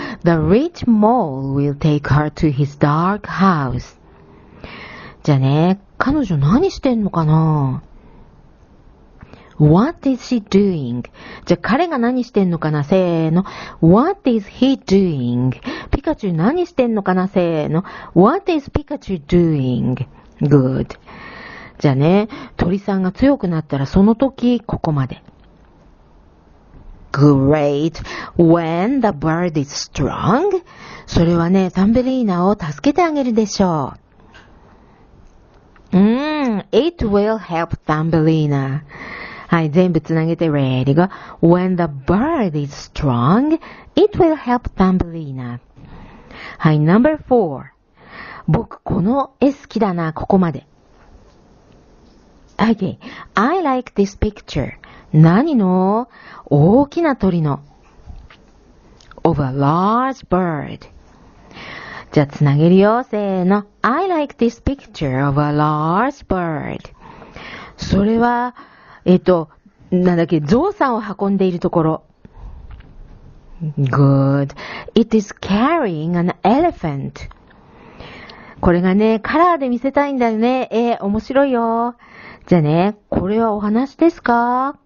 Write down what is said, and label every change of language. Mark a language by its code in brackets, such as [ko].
[en] The rich mole will take her to his dark house. [ja] じゃあね、彼女何してんのかな？ [en] What is he doing? [ja] じゃあ彼が何してんのかな、せーの。 [en] What is he doing? [ja] ピカチュウ何してんのかな、せーの。 [en] What is ピカチュウ doing? Good. [ja] じゃあね、鳥さんが強くなったらその時ここまで。 [en] Great. When the bird is strong? [ja] それはね、サンベリーナを助けてあげるでしょう。 [en] It will help Thumbelina. はい、全部つなげて ready go. When the bird is strong, it will help Thumbelina. はい、number four. [ja] 僕この絵好きだな、ここまで。 [en] Okay, I like this picture. 何の？大きな鳥の。 Of a large bird. [ja] じゃあつなげるよ、せーの。 [en] I like this picture of a large bird. [ja] それは、なんだっけ、ゾウさんを運んでいるところ。 [en] Good. It is carrying an elephant. [ja] これがね、カラーで見せたいんだよね。面白いよ。じゃあね、これはお話ですか？